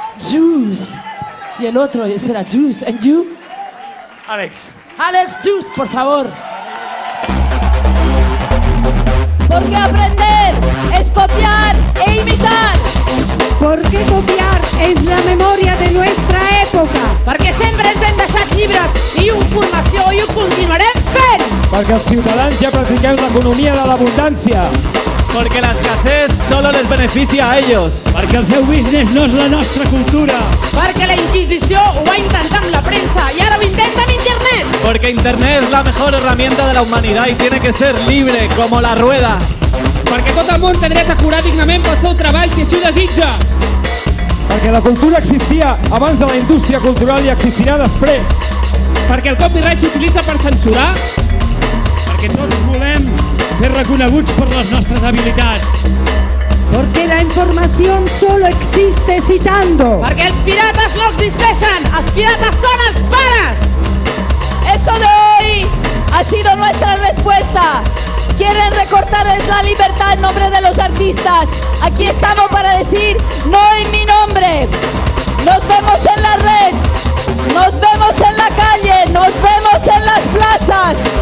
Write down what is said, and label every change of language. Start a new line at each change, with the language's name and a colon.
Spanish: Jules. Y el otro, espera, Jules,
English: and you?
Spanish: Alex. Alex, Jules, por favor. Porque aprender es copiar e imitar. Porque copiar es la memoria de nuestra época.
Catalan: Porque siempre hem deixat llibres i informació i ho continuarem fent. Perquè els ciutadans ja practiquem l'economia de l'abundància.
Spanish: Porque la escasez solo les beneficia a ellos.
Catalan: Perquè el seu business no és la nostra cultura. Perquè la Inquisició ho va intentar amb la premsa i ara ho intenta amb Internet.
Spanish: Porque Internet es la mejor herramienta de la humanidad y tiene que ser libre como la rueda.
Catalan: Perquè tot el món té dret a curar dignament pel seu treball si així ho desitja. Perquè la cultura existia abans de la indústria cultural i existirà després. Perquè el copyright s'utilitza per censurar. Perquè tots volem ser reconeguts per les nostres habilitats. Perquè la informació
Spanish: solo existe citando.
Catalan: Perquè els pirates no existeixen, els pirates són els pares.
Spanish: Esto de hoy ha sido nuestra respuesta. Quieren recortarles la libertad en nombre de los artistas. Aquí estamos para decir no en mi nombre. Nos vemos en la red. Nos vemos en la calle. Nos vemos en las plazas.